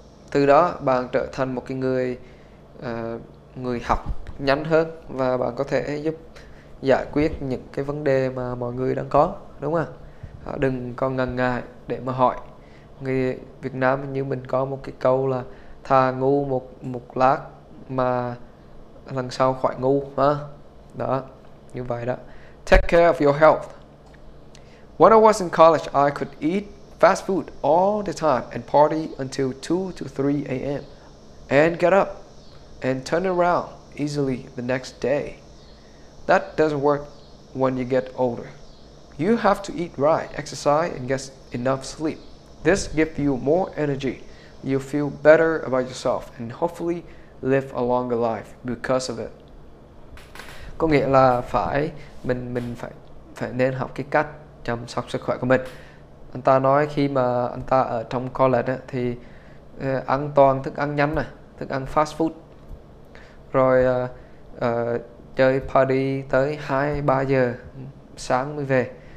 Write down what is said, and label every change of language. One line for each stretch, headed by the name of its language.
Vietnamese: Từ đó bạn trở thành một cái người người học nhanh hơn, và bạn có thể giúp giải quyết những cái vấn đề mà mọi người đang có, đúng không? Đừng còn ngần ngại để mà hỏi. Người Việt Nam như mình có một cái câu là thà ngu một lát mà lần sau khỏi ngu ha. Đó, như vậy đó.
English: Take care of your health. When I was in college, I could eat fast food all the time and party until 2 to 3 a.m. and get up and turn around easily the next day. That doesn't work when you get older. You have to eat right, exercise, and get enough sleep. This gives you more energy. You feel better about yourself and hopefully live a longer life because of it.
Vietnamese: Có nghĩa là phải mình phải phải nên học cái cách chăm sóc sức khỏe của mình. Anh ta nói khi mà anh ta ở trong college á, thì ăn toàn thức ăn nhanh này, thức ăn fast food. Rồi chơi party tới 2 3 giờ sáng mới về.